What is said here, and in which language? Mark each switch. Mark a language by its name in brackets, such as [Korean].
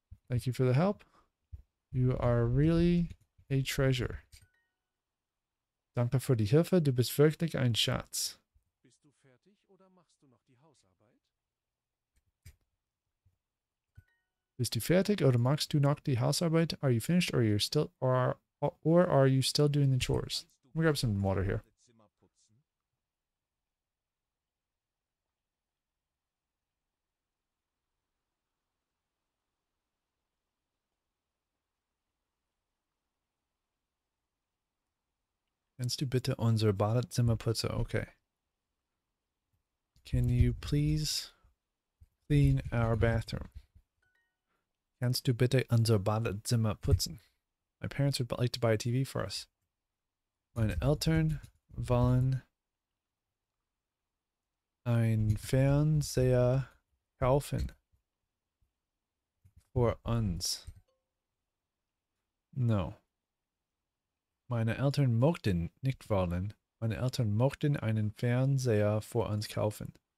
[English] Thank you for the help. You are really a treasure. [German] Danke für die Hilfe. Du bist wirklich ein Schatz. Bist du fertig oder machst du noch die Hausarbeit? Bist du fertig oder machst du noch die Hausarbeit? [English] Are you finished or you're still or are you still doing the chores? Let me grab some water here. [German] Kannst du bitte unser Badezimmer putzen? [English] Okay. Can you please clean our bathroom? [German] Kannst du bitte unser Badezimmer putzen? [English] My parents would like to buy a TV for us. [German] Meine Eltern wollen ein Fernseher kaufen für uns. No. Meine Eltern mochten nicht wollen. Meine Eltern mochten einen Fernseher für uns kaufen.